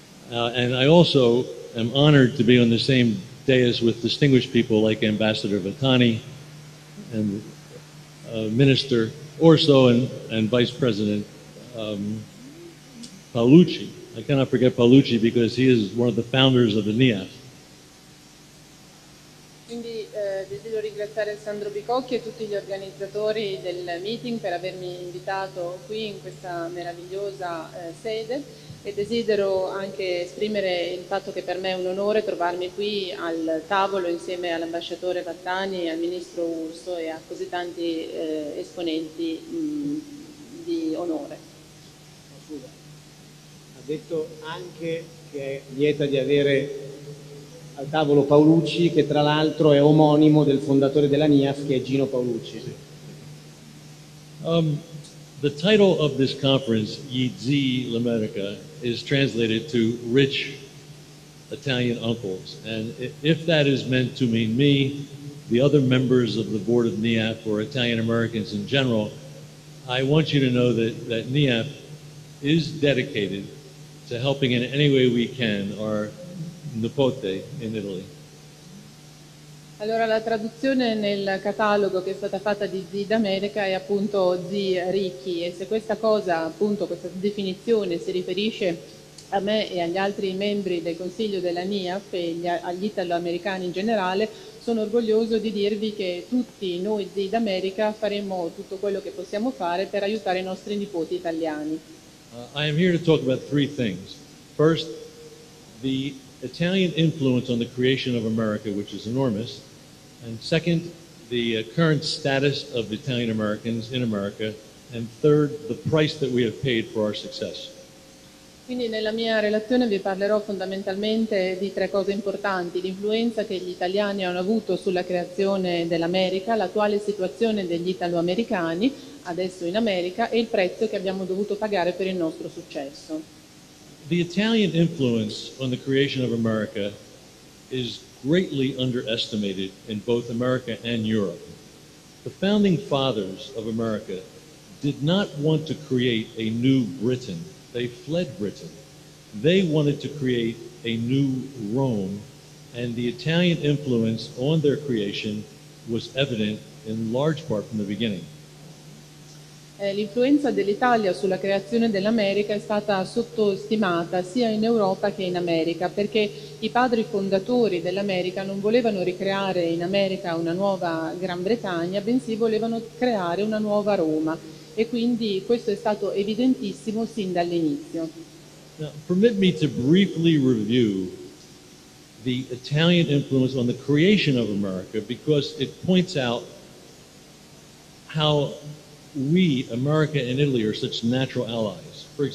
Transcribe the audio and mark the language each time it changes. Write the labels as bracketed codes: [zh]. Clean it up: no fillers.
[en] And I also am honored to be on the same dais with distinguished people like Ambassador Vitani and Minister Orso and Vice President Paolucci. I cannot forget Paolucci because he is one of the founders of the NIAF. [it] Quindi desidero ringraziare Sandro Bicocchi e tutti gli organizzatori del meeting per avermi invitato qui in questa meravigliosa sede e desidero anche esprimere il fatto che per me è un onore trovarmi qui al tavolo insieme all'ambasciatore Vattani, al ministro Urso e a così tanti esponenti di onore. Ha detto anche che è lieta di avere al tavolo Paolucci, che tra l'altro è omonimo del fondatore della NIAF, che è Gino Paolucci. [en] The title of this conference, Gli Zii L'America, is translated to rich Italian uncles. And if that is meant to mean me, the other members of the board of NIAF, or Italian Americans in general, I want you to know that NIAF is dedicated to helping in any way we can our nipote in Italy. [it] Allora, la traduzione nel catalogo che è stata fatta di Zii d'America è appunto zii ricchi, e se questa cosa, appunto questa definizione, si riferisce a me e agli altri membri del consiglio della NIAF e agli italo-americani in generale, sono orgoglioso di dirvi che tutti noi Zii d'America faremo tutto quello che possiamo fare per aiutare i nostri nipoti italiani. [en] I am here to talk about three things. First, the Italian influence on the creation of America, which is enormous, and second, the current status of Italian Americans in America, and third, the price that we have paid for our success. [it] Quindi nella mia relazione vi parlerò fondamentalmente di tre cose importanti: l'influenza che gli italiani hanno avuto sulla creazione dell'America, l'attuale situazione degli italoamericani adesso in America e il prezzo che abbiamo dovuto pagare per il nostro successo. [en] The Italian influence on the creation of America is greatly underestimated in both America and Europe. The founding fathers of America did not want to create a new Britain. They fled Britain. They wanted to create a new Rome, and the Italian influence on their creation was evident in large part from the beginning. [it] L'influenza dell'Italia sulla creazione dell'America è stata sottostimata sia in Europa che in America, perché i padri fondatori dell'America non volevano ricreare in America una nuova Gran Bretagna, bensì volevano creare una nuova Roma, e quindi questo è stato evidentissimo sin dall'inizio. [en] Now, permit me to briefly review the Italian influence on the creation of America, because it points out how we, America and Italy, are such natural allies.